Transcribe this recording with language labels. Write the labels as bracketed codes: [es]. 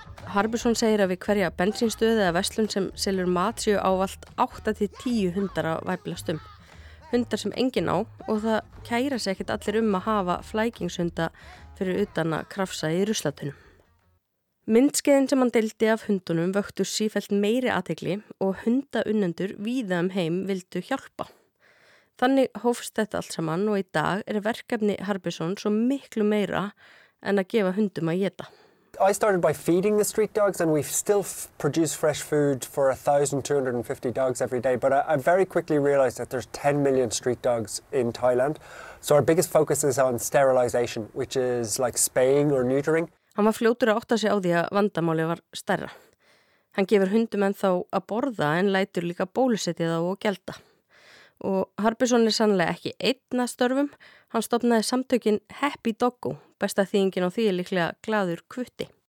[is] Harbison segir að við hverja bensínstöði eða verslun sem selur mat séu ávallt 8 til 10 hundar að væflast Hundar sem engin á og það kæra sig ekkit allir að hafa flækingshunda fyrir utan að krafsa í ruslatunum. Myndskeiðin sem hann deildi af hundunum vöktu sífellt meiri athygli og hundaunnendur víða heim vildu hjálpa. Þannig hófst þetta allt saman og í dag er verkefni Harbison svo miklu meira en að gefa hundum að geta. [en] I started by feeding the street dogs and we still produce fresh food for 1,250 dogs every day. But I very quickly realized that there's 10 million street dogs in Thailand. So our biggest focus is on sterilization, which is like spaying or neutering. [is] Hann var fljótur að átta sig á því að vandamáli var stærra. Hann gefur hundum ennþá að borða en lætur líka bólusetja þá og gelda. Og Harbison er sannlega ekki einn að störfum. Hann stofnaði samtökin Happy Doggo, besta þýðingin á því er líklega glaður kvutti.